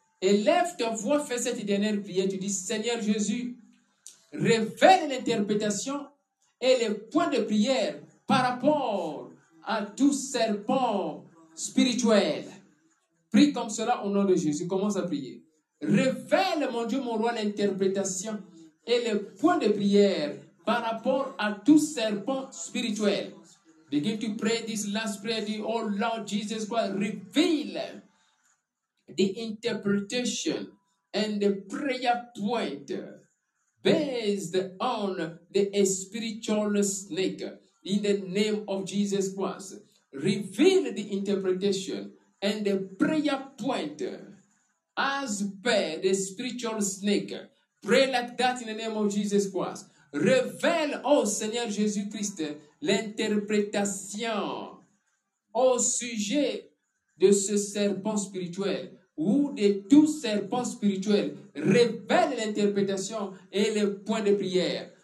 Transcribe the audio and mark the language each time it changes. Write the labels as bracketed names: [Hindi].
[French] Élève ta voix, fais cette dernière prière. Tu dis, Seigneur Jésus, révèle l'interprétation et les points de prière par rapport à tout serpent spirituel. Prie comme cela au nom de Jésus. Commence à prier. révèle, mon Dieu, mon roi, l'interprétation et le point de prière par rapport à tout serpent spirituel. [English] Begin to pray this last prayer, oh Lord Jesus Christ, reveal the interpretation and the prayer point based on the spiritual snake in the name of Jesus Christ. Reveal the interpretation and the prayer point as per the spiritual snake. Pray like that in the name of Jesus Christ. [French] Révèle, ô Seigneur Jésus-Christ, l'interprétation au sujet de ce serpent spirituel ou de tout serpent spirituel. Révèle l'interprétation et le point de prière.